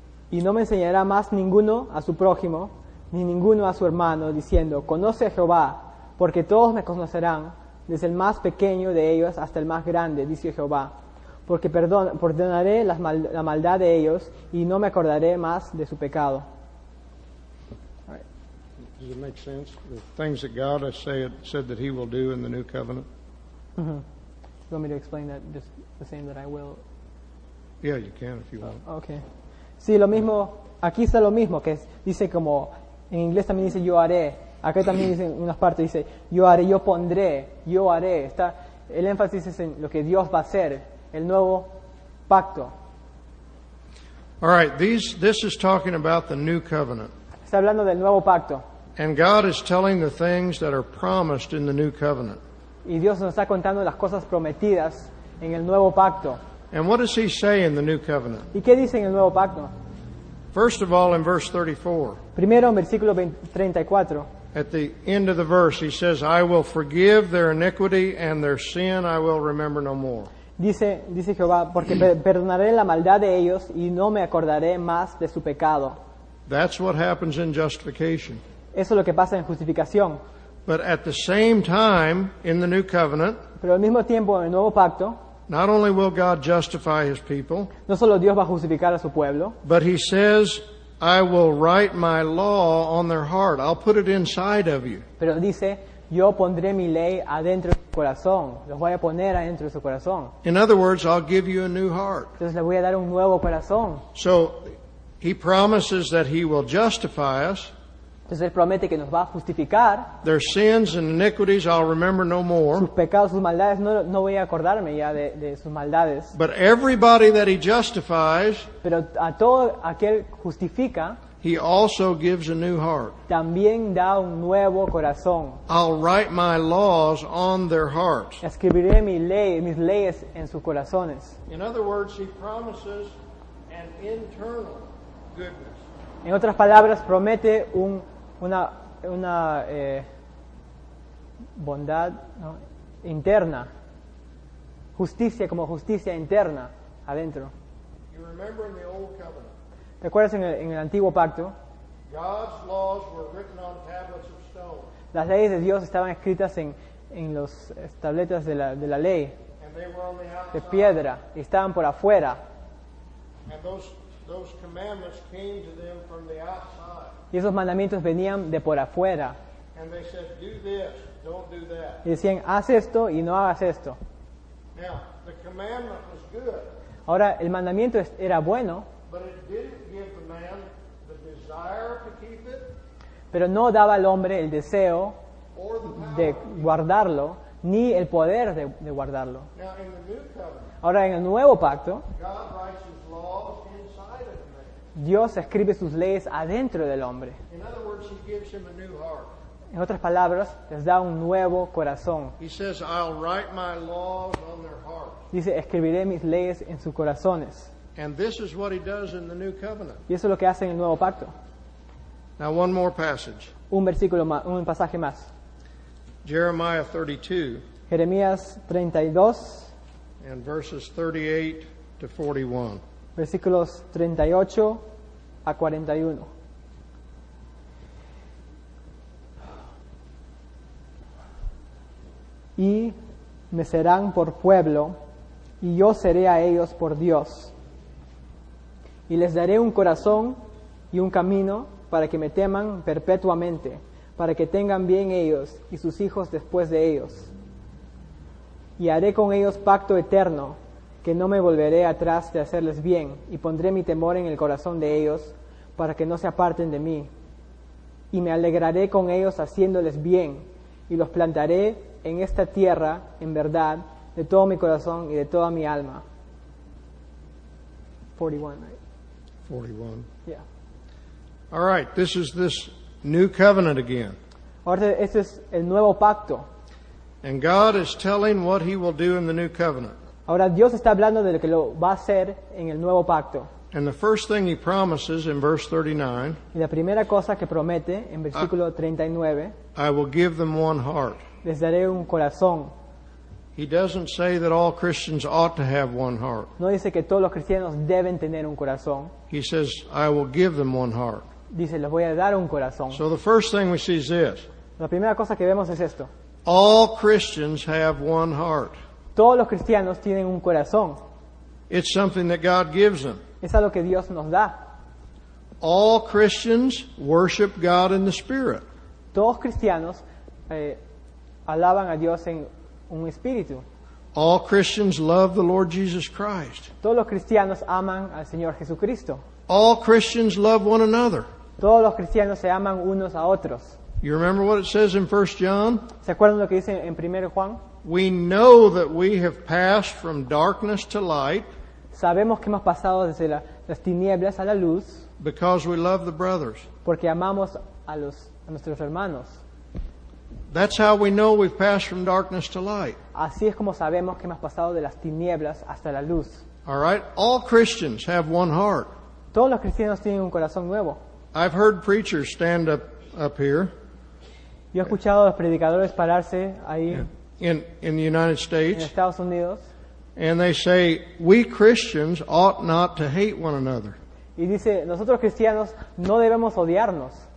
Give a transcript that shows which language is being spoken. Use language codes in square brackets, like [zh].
[es] Y no me enseñará más ninguno a su prójimo ni ninguno a su hermano diciendo, conoce a Jehová, porque todos me conocerán, desde el más pequeño de ellos hasta el más grande, dice Jehová, porque perdonaré la maldad de ellos y no me acordaré más de su pecado. [en] Does it make sense? The things that God has said that he will do in the new covenant? Mm-hmm. You want me to explain that just the same that I will? Yeah, you can if you want. [es] Okay. Sí, lo mismo. Aquí está lo mismo, que dice como, en inglés también dice yo haré. Acá también dice en unas partes, dice yo haré, yo pondré, yo haré. Está, el énfasis es en lo que Dios va a hacer, el nuevo pacto. [en] All right, this is talking about the new covenant. [es] Está hablando del nuevo pacto. [en] And God is telling the things that are promised in the new covenant. [es] Y Dios nos está contando las cosas prometidas en el nuevo pacto. [en] And what does he say in the new covenant? [es] ¿Y qué dice en el nuevo pacto? [en] First of all, in verse 34. [es] Primero, en versículo 34. [en] At the end of the verse, he says, I will forgive their iniquity and their sin I will remember no more. [es] Dice Jehová, porque perdonaré la maldad de ellos y no me acordaré más de su pecado. [en] That's what happens in justification. [es] Eso es lo que pasa en justificación. [en] But at the same time, in the new covenant, [es] pero al mismo tiempo en el nuevo pacto, [en] not only will God justify his people, [es] no solo Dios va a justificar a su pueblo, [en] but he says, I will write my law on their heart. I'll put it inside of you. [es] Pero dice, yo pondré mi ley adentro de su corazón. Los voy a poner adentro de su corazón. [en] In other words, I'll give you a new heart. [es] Entonces le voy a dar un nuevo corazón. [en] So, he promises that he will justify us. [es] Entonces él promete que nos va a justificar. [en] Their sins and iniquities I'll remember no more. [es] Sus pecados, sus maldades, no voy a acordarme ya de sus maldades. [en] But everybody that he justifies, [es] pero a todo aquel justifica, [en] he also gives a new heart. [es] También da un nuevo corazón. [en] I'll write my laws on their hearts. [es] Escribiré mis leyes en sus corazones. [en] In other words, he promises an internal goodness. [es] En otras palabras, promete una bondad, ¿no?, interna, justicia como justicia interna adentro. [en] You remember in the old covenant. [es] ¿Te acuerdas en el antiguo pacto? [en] God's laws were written on tablets of stone. [es] Las leyes de Dios estaban escritas en las tabletas de la ley, [en] and they were on the outside. [es] De piedra, y estaban por afuera. [en] And those commandments came to them from the outside. [es] Y esos mandamientos venían de por afuera. [en] And they said, do this, don't do that. [es] Y decían, haz esto y no hagas esto. [en] Now, the commandment was good. [es] Ahora, el mandamiento era bueno, [en] but it didn't give the man the desire to keep it, [es] pero no daba al hombre el deseo de guardarlo, ni el poder de guardarlo. [en] Now, in the new covenant, [es] ahora, en el nuevo pacto, [en] God writes his laws inside of the man. [es] Dios escribe sus leyes adentro del hombre. [en] In other words, he gives him a new heart. [es] En otras palabras, les da un nuevo corazón. [en] He says, I'll write my laws on their hearts. [es] Dice, escribiré mis leyes en sus corazones. [en] And this is what he does in the new covenant. [es] Y eso es lo que hace en el nuevo pacto. [en] Now one more passage. [es] Un versículo más, un pasaje más. [en] Jeremiah 32. [es] Jeremías 32. [en] And verses 38 to 41. [es] Versículos 38 a 41. Y me serán por pueblo, y yo seré a ellos por Dios. Y les daré un corazón y un camino para que me teman perpetuamente, para que tengan bien ellos y sus hijos después de ellos. Y haré con ellos pacto eterno, que no me volveré atrás de hacerles bien, y pondré mi temor en el corazón de ellos, para que no se aparten de mí. Y me alegraré con ellos haciéndoles bien, y los plantaré en esta tierra, en verdad, de todo mi corazón y de toda mi alma. [en] 41, right? 41. Yeah. All right, this is this new covenant again. [es] Ahora, este es el nuevo pacto. [en] And God is telling what he will do in the new covenant. [es] Ahora, Dios está hablando de lo que lo va a hacer en el nuevo pacto. [en] And the first thing he promises in verse 39. [es] Y la primera cosa que promete en versículo 39. [en] I will give them one heart. [es] Les daré un corazón. [en] He doesn't say that all Christians ought to have one heart. [es] No dice que todos los cristianos deben tener un corazón. [en] He says, I will give them one heart. [es] Dice, les voy a dar un corazón. [en] So the first thing we see is this. [es] La primera cosa que vemos es esto. [en] All Christians have one heart. [es] Todos los cristianos tienen un corazón. [en] It's something that God gives them. [es] Es algo que Dios nos da. [en] All Christians worship God in the Spirit. [es] Todos cristianos alaban a Dios en un espíritu. [en] All Christians love the Lord Jesus Christ. [es] Todos los cristianos aman al Señor Jesucristo. [en] All Christians love one another. [es] Todos los cristianos se aman unos a otros. [en] You remember what it says in 1 John? [es] ¿Se acuerdan lo que dice en 1 Juan? [en] We know that we have passed from darkness to light. [es] Sabemos que hemos pasado desde las tinieblas a la luz. [en] Because we love the brothers. [es] Porque amamos a nuestros hermanos. [en] That's how we know we've passed from darkness to light. [es] Así es como sabemos que hemos pasado de las tinieblas hasta la luz. [en] All right, all Christians have one heart. [es] Todos los cristianos tienen un corazón nuevo. [en] I've heard preachers stand up here. [es] Yo he escuchado a los predicadores pararse ahí [en] in the United States. [es] En Estados Unidos. [en] And they say we Christians ought not to hate one another. [es] Y dice, nosotros cristianos no debemos odiarnos.